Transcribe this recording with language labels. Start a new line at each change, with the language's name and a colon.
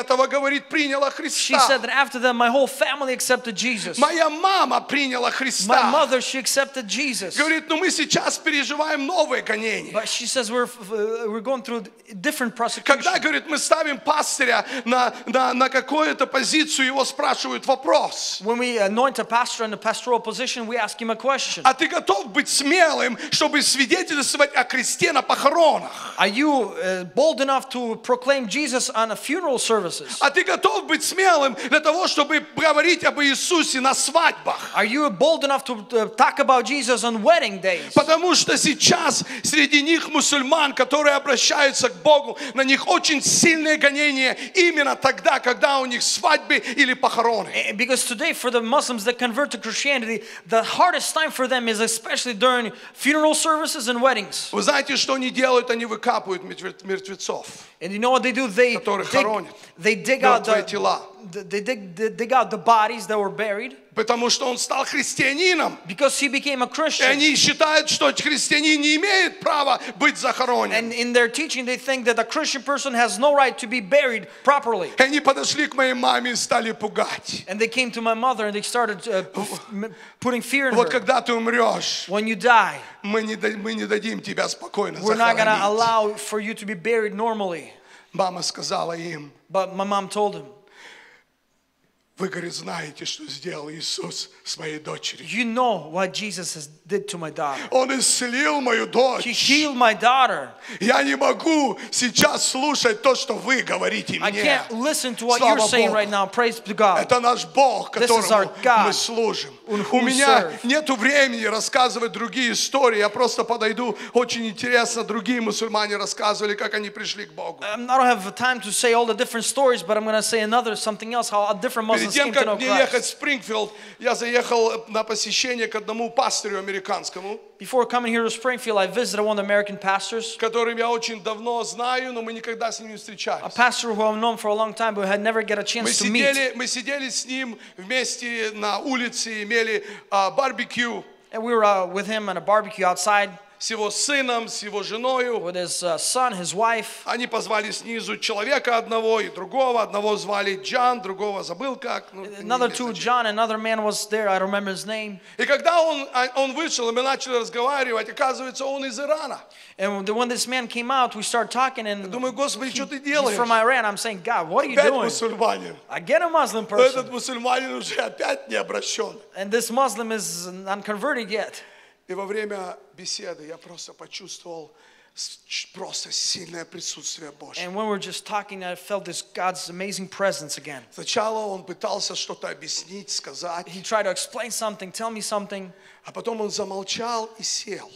English: She said that after that, my whole family accepted Jesus. My mother, she accepted Jesus.
Russian: Говорит, ну мы сейчас переживаем новые гонения.
English: But she says we're going through different prosecutions.
Russian: Когда, говорит, мы ставим пастыря на какую-то позицию, его спрашивают вопрос.
English: When we anoint a pastor in a pastoral position, we ask him a question.
Russian: А ты готов быть смелым, чтобы свидетельствовать о Христе на похоронах?
English: Are you bold enough to proclaim Jesus on a funeral services?
Russian: А ты готов быть смелым для того, чтобы говорить об Иисусе на свадьбах?
English: Are you bold enough to talk about Jesus on wedding days?
Russian: Потому что сейчас среди них мусульман, которые обращаются к Богу, на них очень сильные гонения именно тогда, когда у них свадьбы или похороны.
English: Because today for the Muslims that convert to Christianity, the hardest time for them is especially during funeral services and weddings.
Russian: Вы знаете, что они делают? Они выкапывают мертвецов.
English: And you know what they do? They dig out the bodies that were buried.
Russian: Потому что он стал христианином.
English: Because he became a Christian.
Russian: И они считают, что христианин не имеет права быть захороненным.
English: And in their teaching, they think that a Christian person has no right to be buried properly.
Russian: И они подошли к моей маме и стали пугать.
English: And they came to my mother and they started putting fear in her.
Russian: Вот когда ты умрешь.
English: When you die.
Russian: Мы не дадим тебя спокойно захоронить.
English: We're not going to allow for you to be buried normally.
Russian: Мама сказала им.
English: But my mom told him.
Russian: Вы, говорит, знаете, что сделал Иисус с моей дочерью.
English: You know what Jesus has did to my daughter.
Russian: Он исцелил мою дочь.
English: He healed my daughter.
Russian: Я не могу сейчас слушать то, что вы говорите мне.
English: I can't listen to what you're saying right now. Praise be to God.
Russian: Это наш Бог, которому мы служим. У меня нету времени рассказывать другие истории. Я просто подойду. Очень интересно, другие мусульмане рассказывали, как они пришли к Богу.
English: I don't have time to say all the different stories, but I'm going to say another, something else, how a different Muslims came to know Christ.
Russian: Перед тем, как мне ехать в Спрингфилд, я заехал на посещение к одному пастору американскому.
English: Before coming here to Springfield, I visited one of the American pastors.
Russian: Которым я очень давно знаю, но мы никогда с ним не встречались.
English: A pastor who I've known for a long time, but had never get a chance to meet.
Russian: Мы сидели с ним вместе на улице, имели барбекю.
English: And we were with him on a barbecue outside.
Russian: С его сыном, с его женою.
English: With his son, his wife.
Russian: Они позвали снизу человека одного и другого. Одного звали Джон, другого забыл как.
English: Another two, John, another man was there. I don't remember his name.
Russian: И когда он вышел, и мы начали разговаривать, оказывается, он из Ирана.
English: And when this man came out, we started talking, and
Russian: думаю, Господи, что ты делаешь?
English: He's from Iran. I'm saying, God, what are you
Russian: опять
English: doing?
Russian: Мусульманин.
English: Again a Muslim person.
Russian: Этот мусульманин уже опять не обращен.
English: And this Muslim is unconverted yet.
Russian: И во время беседы я просто почувствовал просто сильное присутствие Божье.
English: And when we were just talking, I felt this God's amazing presence again.
Russian: Сначала он пытался что-то объяснить, сказать.
English: He tried to explain something, tell me something.
Russian: А потом он замолчал и сел.